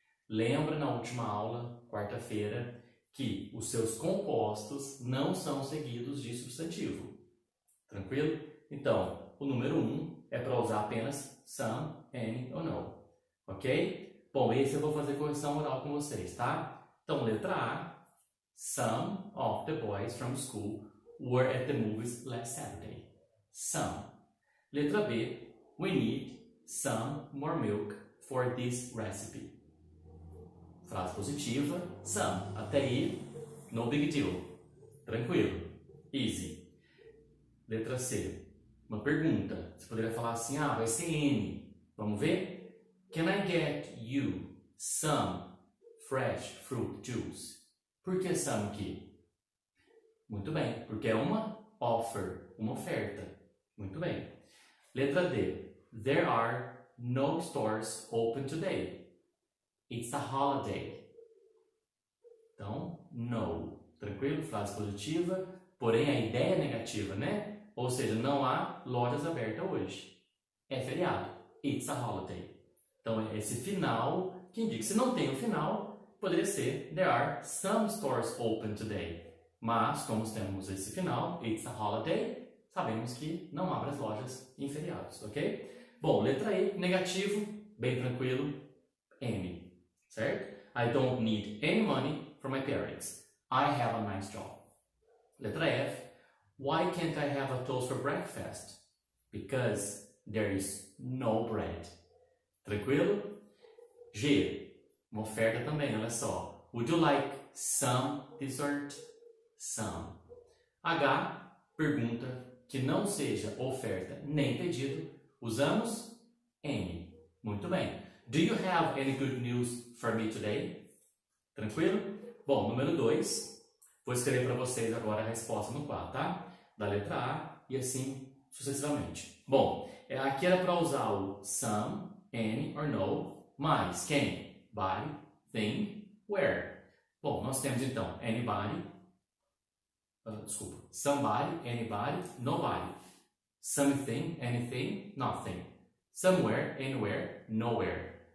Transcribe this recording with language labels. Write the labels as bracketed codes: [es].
[pt] Lembra na última aula, quarta-feira, que os seus compostos não são seguidos de substantivo. Tranquilo? Então, o número 1 é para usar apenas some, any ou no. Ok? Bom, esse eu vou fazer correção oral com vocês, tá? Então, letra A. [en] Some of the boys from school were at the movies last Saturday. Some. [pt] Letra B. [en] We need some more milk for this recipe. [pt] Frase positiva. Some. Até aí, [en] no big deal. [pt] Tranquilo. Easy. Letra C. Uma pergunta. Você poderia falar assim, ah, vai ser N. Vamos ver? [en] Can I get you some fresh fruit juice? [pt] Por que some aqui? Muito bem, porque é uma offer, uma oferta. Muito bem. Letra D. [en] There are no stores open today. It's a holiday. Então, no. Tranquilo? [pt] Frase positiva. Porém, a ideia é negativa, né? Ou seja, não há lojas abertas hoje. É feriado. [en] It's a holiday. [pt] Então, é esse final que indica. Se não tem o final, poderia ser, [en] there are some stores open today. [pt] Mas, como temos esse final, [en] it's a holiday, [pt] sabemos que não abre as lojas em feriados, ok? Bom, letra E, negativo, bem tranquilo, N, certo? [en] I don't need any money for my parents. I have a nice job. [pt] Letra F, [en] why can't I have a toast for breakfast? Because there is no bread. Tranquilo? G. [pt] Uma oferta também, olha só. [en] Would you like some dessert? Some. [pt] H, pergunta que não seja oferta nem pedido. Usamos any. Muito bem. Do you have any good news for me today? Tranquilo? Bom, número 2. Vou escrever para vocês agora a resposta no quadro, tá? Da letra A e assim sucessivamente. Bom, aqui era para usar o some, any or no, mas quem? [en] By. Then, where? [pt] Bom, nós temos então [en] anybody, desculpa, somebody, anybody, nobody, something, anything, nothing, somewhere, anywhere, nowhere.